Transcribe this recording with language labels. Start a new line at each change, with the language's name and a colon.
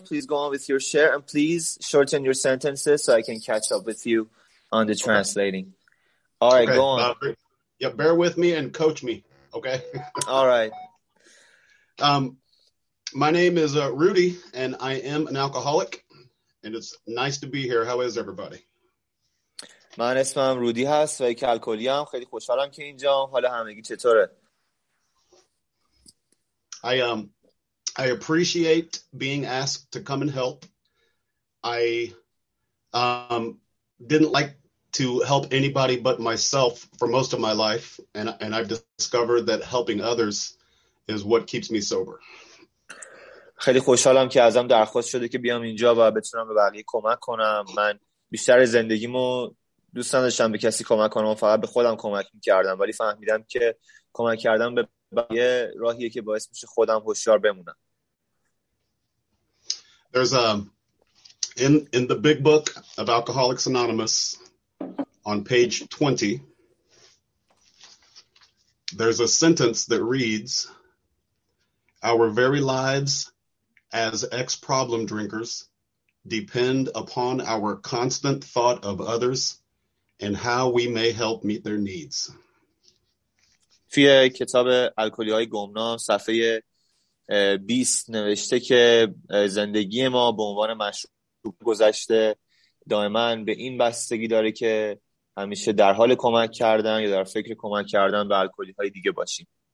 English: Please go on with your share and please shorten your sentences so I can catch up with you on the translating. Okay. All right, okay. Go on. Yeah, bear with me and coach me, okay? All right. My name is Rudy, and I am an alcoholic, and it's nice to be here. How is everybody?
Persian: من اسمم رودی هست و یک الکلی هم. خیلی خوشحالم که اینجام. حالا همگی چطوره؟
English: I appreciate being asked to come and help. I didn't like to help anybody but myself for most of my life, and I've discovered that helping others is what keeps me sober.
Persian: خیلی خوشحالم که ازم درخواست شده که بیام اینجا و بتونم به بقیه کمک کنم. من بیشتر زندگیمو دوست نداشتم به کسی کمک کنم، فقط به خودم کمک می‌کردم، ولی فهمیدم که کمک کردن به بقیه راهیه که باعث میشه خودم هوشیار بمونم.
English: There's in the big book of Alcoholics Anonymous, on page 20, there's a sentence that reads, "Our very lives as ex-problem drinkers depend upon our constant thought of others and how we may help meet their needs."
Persian: توی کتاب الکلی‌های گمنام صفحه 20 نوشته که زندگی ما به عنوان مشروب گذشته دائما به این بستگی داره که همیشه در حال کمک کردن یا در فکر کمک کردن به الکلی های دیگه باشیم.